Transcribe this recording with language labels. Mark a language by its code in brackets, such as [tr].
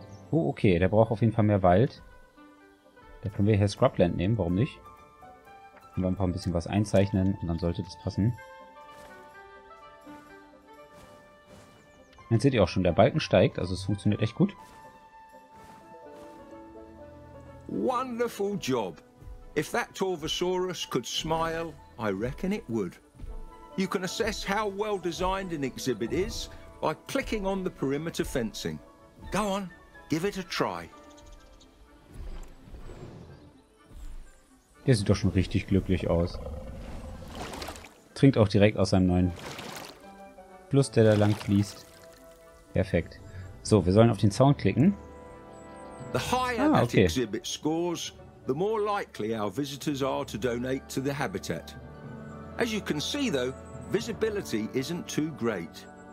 [de] Oh, okay, der braucht auf jeden Fall mehr Wald. Da können wir hier Scrubland nehmen, warum nicht? Können wir einfach ein bisschen was einzeichnen und dann sollte das passen. Jetzt seht ihr auch schon, der Balken steigt, also es funktioniert echt gut. [en] Wonderful job. If that Torvosaurus could smile, I reckon it would. You can assess how well designed an exhibit is by clicking on the perimeter fencing. Go on. Give it a try. [de] Der sieht doch schon richtig glücklich aus. Trinkt auch direkt aus seinem neuen Fluss, der da lang fließt. Perfekt. So, wir sollen auf den Zaun klicken. [en] The higher the exhibit scores, the more likely our visitors are to donate to the habitat. As you can see though, visibility isn't too great.